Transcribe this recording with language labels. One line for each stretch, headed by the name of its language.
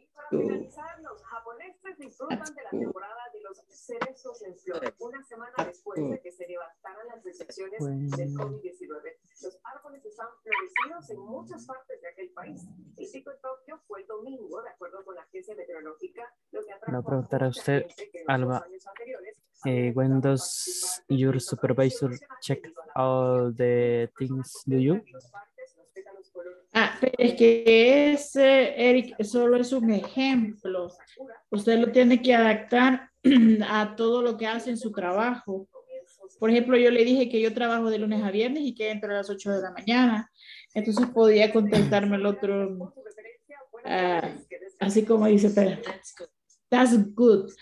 Spanish: Los japoneses disfrutan de la temporada de los cerezos en flor, una semana después de que se levantaran las restricciones del COVID-19. Los árboles están florecidos en muchas partes de aquel país. El pico en Tokio fue el domingo, de acuerdo con la agencia meteorológica. Voy a preguntar a usted, Alba.
English: When does your supervisor check all the things, do you?
Spanish: Ah, pero es que ese, Eric, solo es un ejemplo. Usted lo tiene que adaptar a todo lo que hace en su trabajo. Por ejemplo, yo le dije que yo trabajo de lunes a viernes y que entro a las 8 de la mañana. Entonces podía contactarme el otro. Así como dice, pero
English: that's good.